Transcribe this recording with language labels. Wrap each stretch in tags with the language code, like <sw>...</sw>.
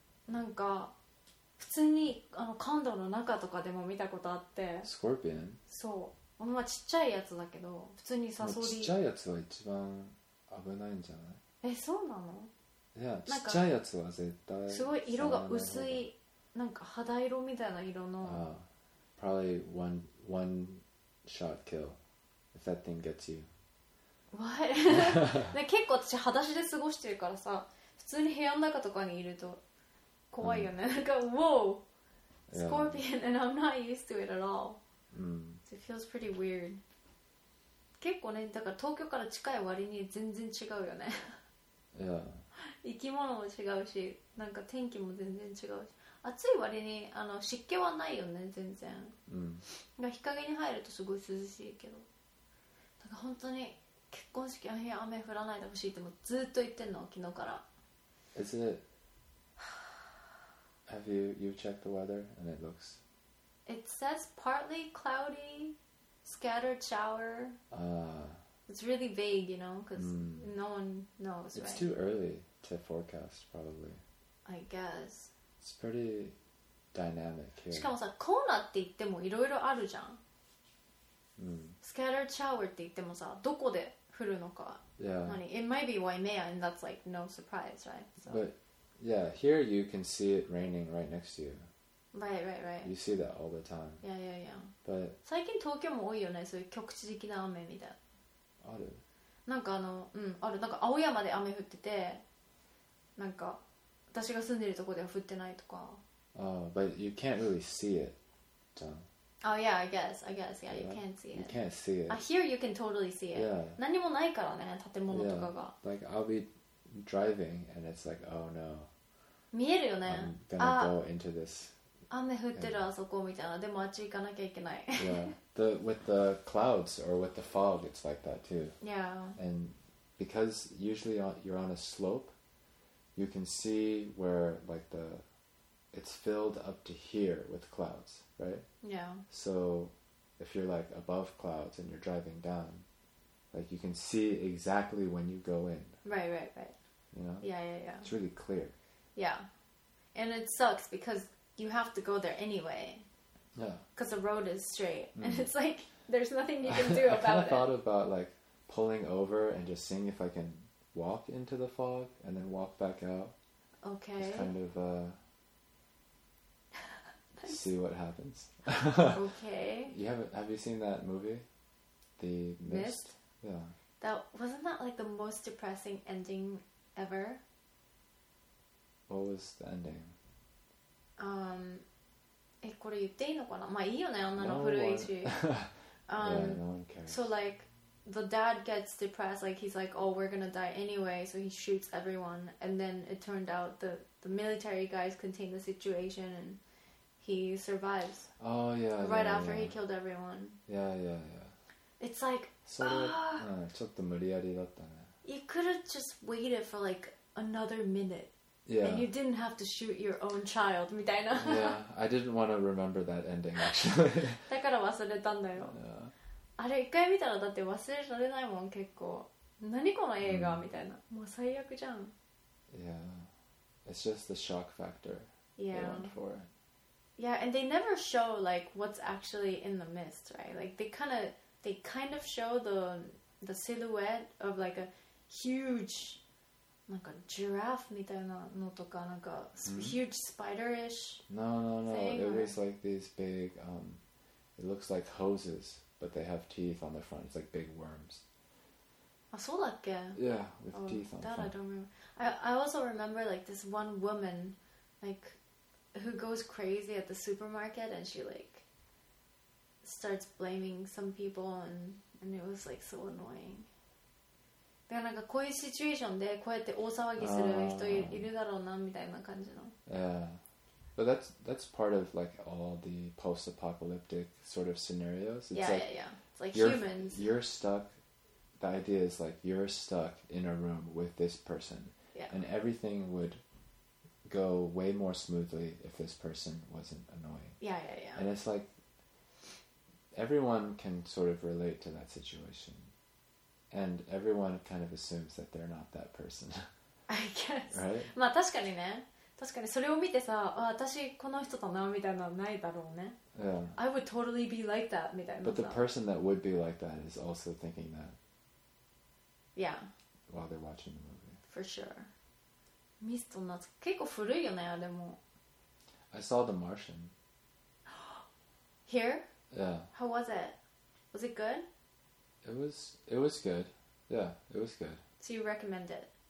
<ja>なんか、普通にあのカンドの中とかでも見たことあって。</ja> <en>Scorpion?</en> <ja>そう。まあちっちゃいやつだけど、普通にサソリ。ちっちゃいやつは一番危ないんじゃない? え、そうなの? いや、ちっちゃいやつは絶対すごい色が薄い、なんか肌色みたいな色の、</ja> <en>Probably one shot kill if that thing gets you. What?</en> <ja>、ね、結構私裸足で過ごしてるからさ、普通に部屋の中とかにいると怖いよね、なんか</ja> <en>Whoa! Scorpion、 yeah. and I'm not used to it at all. It feels pretty weird.</en> <ja>結構ね、だから東京から近い割に全然違うよね</ja> <en>Yeah.</en> <ja>生き物も違うし、なんか天気も全然違うし。暑い割にあの湿気はないよね全然、うん、日陰に入るとすごい涼しいけど、なんか本当に結婚式の日雨降らないでほしいってもうずっと言ってんの昨日から。</ja> <en>Is it have you, you checked the weather and it looks it says partly cloudy scattered shower、it's really vague you know because、no one knows it's、right? too early to forecast probably I guess It's pretty dynamic here.</en> <ja>しかもさコーナーって言ってもいろいろあるじゃん、 mm.</ja> <en>Scattered shower</en> <ja>って言ってもさどこで降るのか、</ja> <en>yeah. It might be Waimea and that's like no surprise right、 so. But yeah here you can see it raining right next to you. Right right right. You see that all the time. Yeah yeah yeah. But</en> <ja>最近東京も多いよねそういう局地的な雨みたいな。あるなんかあのうんあるなんか青山で雨降っててなんか私が住んでるとこでは降ってないとか。</ja> <en>Oh, but you can't really see it, John. Oh yeah, I guess. I guess, yeah, you can't see it. You can't see it. Here you can totally see it. Yeah.</en> <ja>何もないからね、建物とかが。</ja> <en>Like, I'll be driving and it's like, oh no.</en> <ja>見えるよね。</ja> <en>I'm gonna go into this.</en> <ja>雨降ってるあそこみたいな。でもあっち行かなきゃいけない。</ja> <en>Yeah. With the clouds or with the fog, it's like that too. Yeah. And because usually you're on a slope,You can see where like the it's filled up to here with clouds, right? Yeah. So if you're like above clouds and you're driving down, like you can see exactly when you go in. Right, right, right. You know? Yeah, yeah, yeah. It's really clear. Yeah. And it sucks because you have to go there anyway. Yeah. Because the road is straight. Mm-hmm. And it's like there's nothing you can do about it. I kind of thought about like pulling over and just seeing if I canwalk into the fog and then walk back out. Okay. Just kind of see what happens. Okay. You have you seen that movie? The Mist? Yeah. That wasn't that like the most depressing ending ever? What was the ending?</en> <ja>これ言っていいのかな? まあいいよね、あんなの古いし。</ja> <en>Yeah, no one cares. So like,The dad gets depressed, like he's like, oh, we're gonna die anyway, so he shoots everyone. And then it turned out the military guys contain the situation and he survives. Oh, yeah. Right yeah, after yeah. he killed everyone. Yeah, yeah, yeah. It's like,</en> <ja>ちょっと無理やりだったね。</ja> <en>You could have just waited for like another minute. Yeah. And you didn't have to shoot your own child,</en> <ja>みたいな。</ja> <en>Yeah, I didn't want to remember that ending, actually.</en> <ja>だから忘れたんだよ。</ja> <en>Yeah.</en> <ja>あれ一回見たらだって忘れられないもん結構何この映画、mm. みたいなもう最悪じゃん</ja> <en>Yeah It's just the shock factor Yeah they went for. Yeah and they never show like what's actually in the mist right like they kind of show the silhouette of like a huge</en> <ja>なんかジラフみたいなのとかなんか、</ja> <en>mm. huge spider-ish No it was like these big it looks like hosesBut they have teeth on the front. It's like big worms.</en> <ja>あ、そうだっけ?</ja> <en>Yeah, with teeth on the front. That I don't remember. I also remember like this one woman like, who goes crazy at the supermarket and she like starts blaming some people and it was like so annoying.</en> <ja>だからなんかこういうシチュエーションでこうやって大騒ぎする人いるだろうなみたいな感じの。</ja> <en>Yeah. But that's part of like all the post-apocalyptic sort of scenarios. It's yeah, like, yeah, yeah. It's like humans. You're stuck. The idea is like you're stuck in a room with this person. Yeah. And everything would go way more smoothly if this person wasn't annoying. Yeah, yeah, yeah. And it's like everyone can sort of relate to that situation. And everyone kind of assumes that they're not that person. I guess. Right?</en> <ja>まあ確かにね。確かにそれを見てさ、あ、私この人だなみたいなのないだろうね。</ja> <en>Yeah. I would totally be like that</en> <ja>みたいな。</ja> <en>But the person that would be like that is also thinking that. Yeah. While they're watching the movie. For sure.</en> <ja>ミストの夏、結構古いよね、あれも。</ja> <en>I saw The Martian. Here? Yeah. How was it? Was it good? It was good. Yeah, it was good. So you recommend it?</en>